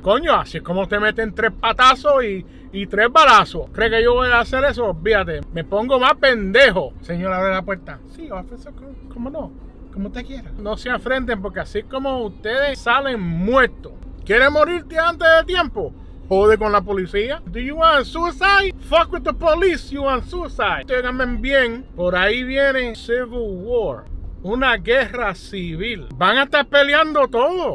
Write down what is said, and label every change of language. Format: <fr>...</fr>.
<es>Coño, así es como te meten 3 patazos y 3 balazos. ¿Crees que yo voy a hacer eso? Olvídate. Me pongo más pendejo. Señor, abre la puerta. Sí, officer, ¿cómo no? Como usted quiera. No se afrenten porque así es como ustedes salen muertos. ¿Quieren morirte antes de tiempo? Jode con la policía.</es> <en>Do you want suicide? Fuck with the police, you want suicide.</en> <es>Téganme bien, por ahí viene</es> <en>civil war.</en> <es>Una guerra civil. Van a estar peleando todo.</es>